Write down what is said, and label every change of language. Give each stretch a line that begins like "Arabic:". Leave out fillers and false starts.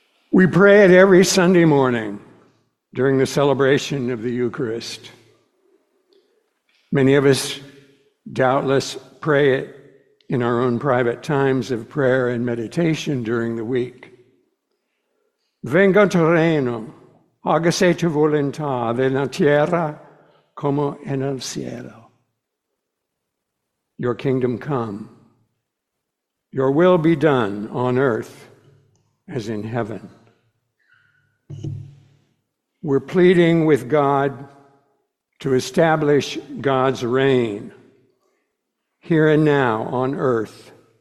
English: We pray it every Sunday morning during the celebration of the Eucharist. Many of us doubtless pray it in our own private times of prayer and meditation during the week.
Spanish: Venga tu reino, hágase tu voluntad en la tierra como en el cielo.
English: Your kingdom come. Your will be done on earth as in heaven. We're pleading with God to establish God's reign here and now on earth.